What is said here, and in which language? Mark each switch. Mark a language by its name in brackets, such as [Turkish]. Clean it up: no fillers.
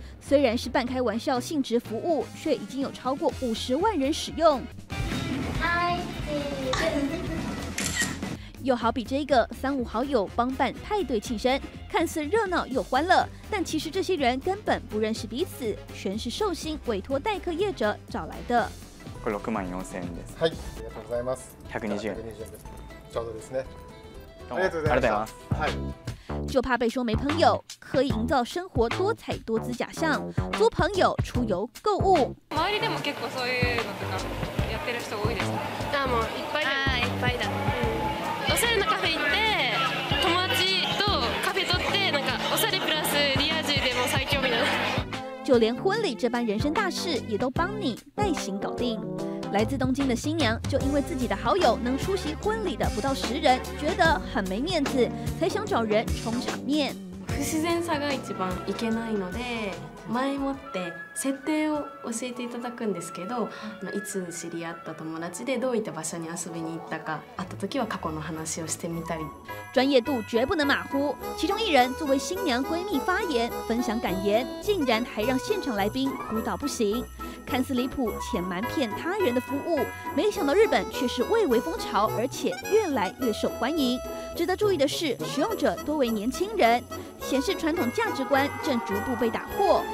[Chinese] 虽然是半开玩笑性质服务，却已经有超过50万人使用。又好比这个3-5好友帮办派对庆生，看似热闹又欢乐，但其实这些人根本不认识彼此，全是寿星委托代客业者找来的。 [Japanese] これ64,000円です。はい、ありがとうございます。 120円。ちょうどですね。ありがとうございます。はい。 [Chinese] 就怕被说没朋友，可以营造生活多彩多姿假象，租朋友、出游、购物。 [Japanese] 周りでも結構そういうのとかやってる人多いですね。あ、もういっぱい。あ、いっぱいだ。おしゃれなカフェ行って、友達とカフェ取って飲 [Chinese] 就连婚礼这般人生大事也都帮你代行搞定。来自东京的新娘就因为自己的好友能出席婚礼的不到十人，觉得很没面子，才想找人冲场面。 [Japanese] 不自然さが一番いけないので、前もって設定を教えていただくんですけど、いつ知り合った友達でどういった場所に遊びに行ったか、会った時は過去の話をしてみたり。 [Chinese] 专业度绝不能马虎。其中一人作为新娘闺蜜发言，分享感言，竟然还让现场来宾哭到不行。看似离谱且瞒骗他人的服务，没想到日本却是蔚为风潮，而且越来越受欢迎。值得注意的是，使用者多为年轻人，显示传统价值观正逐步被打破。